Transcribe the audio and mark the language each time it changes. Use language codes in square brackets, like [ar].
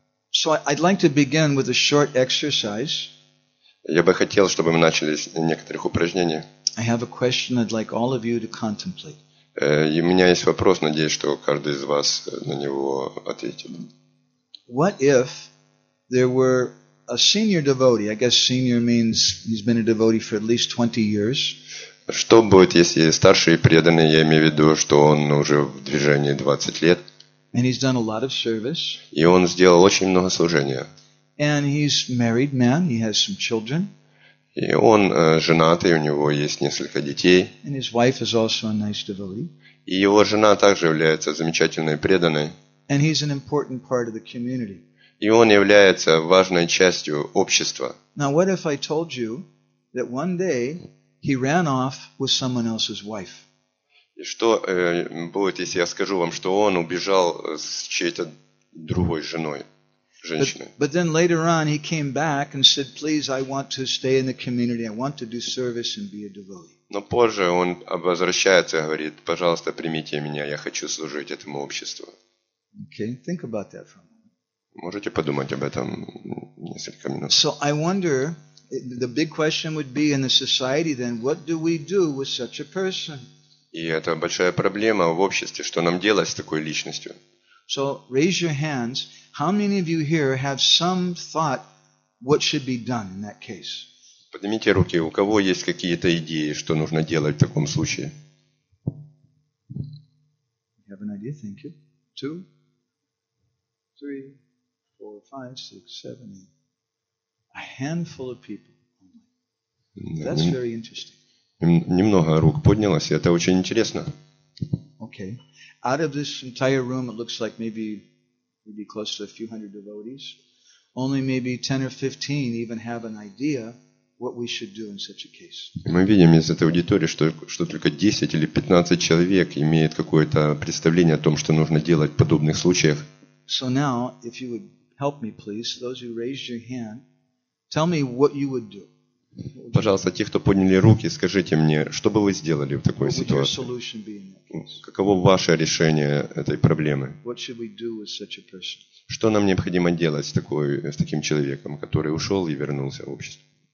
[en] So I'd like to begin with a short exercise. [ru] Я бы хотел, чтобы мы начали с некоторых упражнений. [en] I have a question I'd like all of you to contemplate. [ru] И у меня есть вопрос, надеюсь, что каждый из вас на него ответит. [en] What if there were a senior devotee? I guess senior means he's been a devotee for at least 20 years. [ru] Что будет, если старший преданный, я имею в виду, что он уже в движении 20 лет. [en] And he's done a lot of service. [ru] И он сделал очень много служения. [en] And he's married man, he has some children. [ru] И он женатый, у него есть несколько детей. [en] And his wife is also a nice devotee. [ru] И его жена также является замечательной преданной. [en] And he's an important part of the community. [ru] И он является важной частью общества. [en] Now what if I told you that one day he ran off with someone else's wife? [ru] И что будет, если я скажу вам, что он убежал с чьей-то другой женой? [en] But then later on he came back and said, please, I want to stay in the community, I want to do service and be a devotee. [ru] Но позже он возвращается и говорит, пожалуйста, примите меня, я хочу служить этому обществу. [en] Okay, think about that for a moment. [ru] Можете подумать об этом несколько минут. [en] So I wonder, the big question would be in the society then, what do we do with such a person? [ru] И это большая проблема в обществе, что нам делать с такой личностью? [en] So raise your hands. How many of you here have some thought what should be done in that case? [ru] Поднимите руки. У кого есть какие-то идеи, что нужно делать в таком случае? [en] You have an idea? Thank you. Two, three, four, five, six, seven, eight. A handful of people. That's very interesting. [ru] Немного рук поднялось, и это очень интересно. [en] Okay. Out of this entire room, it looks like maybe close to a few hundred devotees. Only maybe 10 or 15 even have an idea what we should do in such a case. [ru] Мы видим из этой аудитории, что только 10 или 15 человек имеют какое-то представление о том, что нужно делать в подобных случаях. [en] So now, if you would help me, please, those who raised your hand, tell me what you would do. [ru] Пожалуйста, те, кто подняли руки, скажите мне, что бы вы сделали в такой ситуации? Каково ваше решение этой проблемы? Что нам необходимо делать с таким человеком, который ушел и вернулся в общество?